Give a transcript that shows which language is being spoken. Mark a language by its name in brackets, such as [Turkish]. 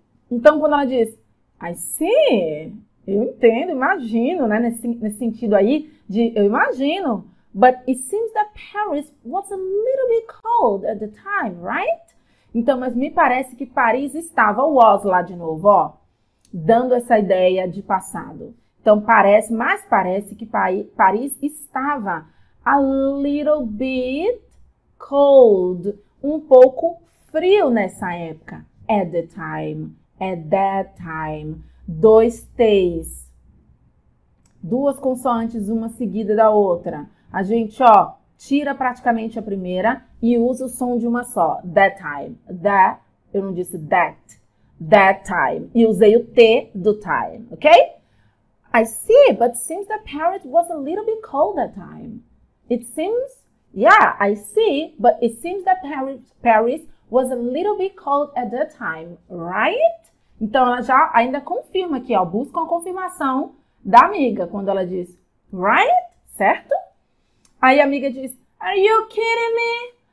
[Portuguese] Então, quando ela diz, [English] I see, [Portuguese] eu entendo, imagino, né? Nesse sentido aí de eu imagino. [English] But it seems that Paris was a little bit cold at the time, right? [Portuguese] Então, mas me parece que Paris estava, was lá de novo, ó, dando essa ideia de passado. Então, parece, mas parece que Paris estava [English] a little bit cold, [Portuguese] um pouco frio nessa época. [English] At that time. [Portuguese] Dois T's. Duas consoantes, uma seguida da outra. A gente, ó, tira praticamente a primeira e usa o som de uma só. [English] That time. That, [Portuguese] eu não disse [English] that. That time. [Portuguese] E usei o T do time, ok? [English] I see, but seems that Paris was a little bit cold that time. It seems, yeah, I see, but it seems that Paris was a little bit cold at that time, right? [Portuguese] Então ela já ainda confirma aqui, ó, busca uma confirmação da amiga quando ela diz, right? Certo? Aí a amiga diz, [English] are you kidding me?